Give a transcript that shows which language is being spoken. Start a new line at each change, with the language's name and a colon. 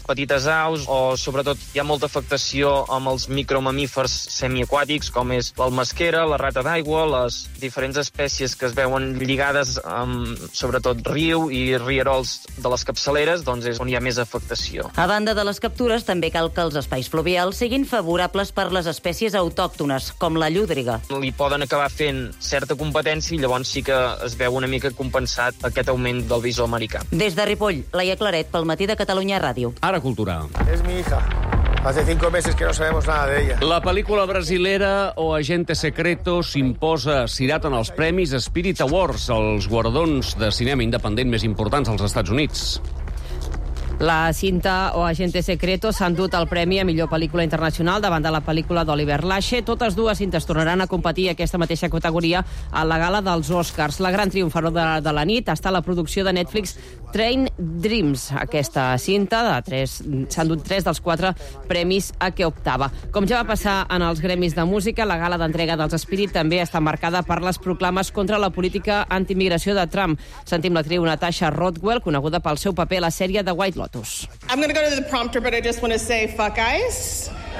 Catalan: Petites aus o, sobretot, hi ha molta afectació amb els micromamífers semiaquàtics, com és l'almasquera, la rata d'aigua, les diferents espècies que es veuen lligades amb, sobretot, riu i rierols de les capçaleres, doncs és on hi ha més afectació. A banda de les captures, també cal que els espais fluvials siguin favorables per les espècies autòctones, com la llúdriga. Li poden acabar fent certa competència i llavors sí que es veu una mica compensat aquest augment del bisó americà. Des de Ripoll, Laia Claret, pel Matí de Catalunya Ràdio. Ara Cultura.
Spanish: És mi hija. Hace 5 meses que no sabemos nada de ella.
Catalan: La pel·lícula brasilera O Agente Secreto s'imposa cirat en els premis Spirit Awards, els guardons de cinema independent més importants als Estats Units. La cinta O Agente Secreto s'ha endut el premi a millor pel·lícula internacional davant de la pel·lícula d'Oliver Lache. Totes dues cintes tornaran a competir aquesta mateixa categoria a la gala dels Oscars. La gran triomfadora de la nit està la producció de Netflix Train Dreams, aquesta cinta de tres, s'ha endut tres dels quatre premis a què optava. Com ja va passar en els gremis de música, la gala d'entrega dels Spirit també està marcada per les proclames contra la política antiimmigració de Trump. Sentim l'actriu Natasha Rothwell, coneguda pel seu paper a la sèrie The White Lotus.
English: I'm going to go to the prompter, but I just want to say fuck ice.